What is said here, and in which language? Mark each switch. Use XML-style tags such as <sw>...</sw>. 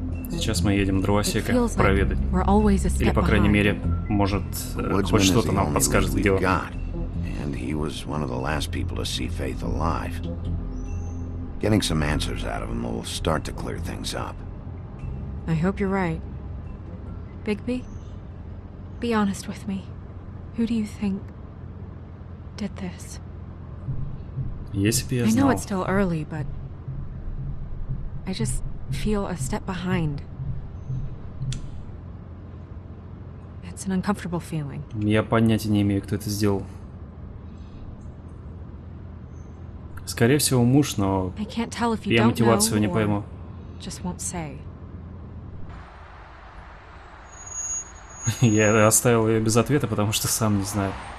<ru>Сейчас мы едем дровосека проведать. Или, по крайней мере, может, хоть что-то нам подскажет, где он.</ru> <en>And he was one of the last people to see Faith alive. Getting some answers out of him will start to clear things up. I hope you're right. Bigby, be honest with me. Who do you think did this?</en> <ru>Если бы я знал.</ru> <en>I know it's still early, but I just feel a step behind. It's an uncomfortable feeling.</en> <ru>Я понятия не имею, кто это сделал. Скорее всего, муж, но я мотивацию не пойму. Я оставил ее без ответа, потому что сам не знаю.</ru>